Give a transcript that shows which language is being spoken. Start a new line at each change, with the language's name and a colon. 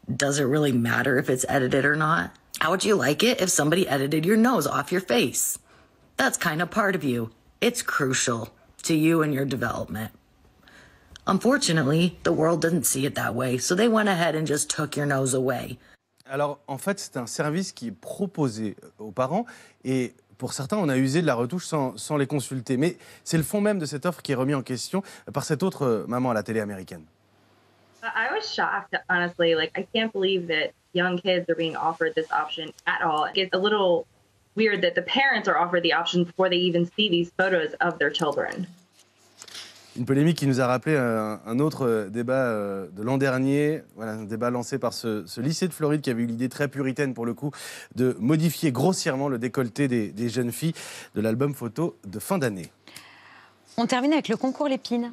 English: Does it really matter if it's edited or not? How would you like it if somebody edited your nose off your face? That's kind of part of you. It's crucial to you and your development. Unfortunately, the world didn't see it that way, so they went ahead and just took your nose away.
French: Alors, en fait, c'est un service qui est proposé aux parents, et pour certains, on a usé de la retouche sans les consulter. Mais c'est le fond même de cette offre qui est remis en question par cette autre maman à la télé américaine.
English: I was shocked, honestly. Like, I can't believe that young kids are being offered this option at all. It's a little weird that the parents are offered the option before they even see these photos of their children.
French: Une polémique qui nous a rappelé un autre débat de l'an dernier, voilà, un débat lancé par ce lycée de Floride qui avait eu l'idée très puritaine pour le coup de modifier grossièrement le décolleté des jeunes filles de l'album photo de fin d'année. On termine avec le concours Lépine.